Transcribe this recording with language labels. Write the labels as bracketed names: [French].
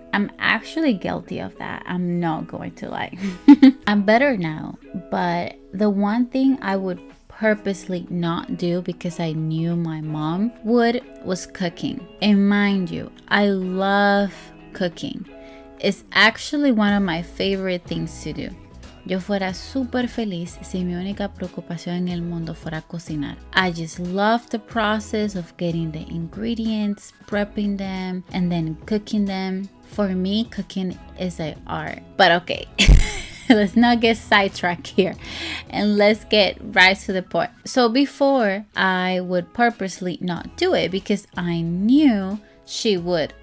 [English] I'm actually guilty of that. I'm not going to lie. I'm better now. But the one thing I would purposely not do because I knew my mom would was cooking. And mind you, I love cooking. It's actually one of my favorite things to do. [Spanish] Yo fuera super feliz si mi única preocupación en el mundo fuera cocinar. [English] I just love the process of getting the ingredients, prepping them, and then cooking them. For me, cooking is an art. But okay, let's not get sidetracked here. And let's get right to the point. So before, I would purposely not do it because I knew she would.